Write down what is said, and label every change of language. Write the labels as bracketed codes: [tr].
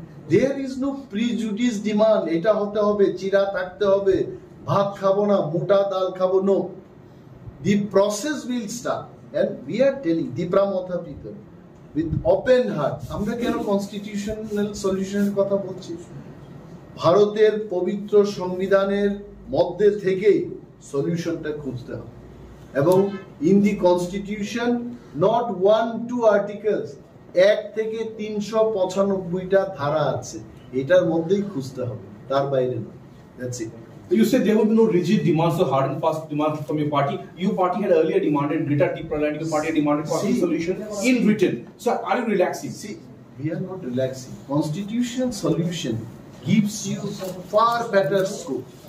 [en] there is no prejudice demand, [bn] এটা হতে হবে, চিরা থাকতে হবে, ভাত খাবো না, মোটা ডাল খাবো, no. [en] The process will start, and we are telling Tipra Motha people with open heart. [bn] আমরা কেন constitutional solution কথা বলছি? ভারতের পবিত্র সংবিধানের মধ্যে থেকে সলিউশনটা খুঁজতে হবে, এবং [en] in the constitution not one two articles, [bn] এক থেকে 395টা ধারা আছে, এটার মধ্যেই খুঁজতে হবে, তার বাইরে না। [en] That's it. So you said there would be no rigid demands or hard and fast demands from your party. Your party had earlier demanded greater Tipra land, your party had demanded for a solution in written. So are you relaxing? See, we are not relaxing. Constitutional solution gives you far better scope.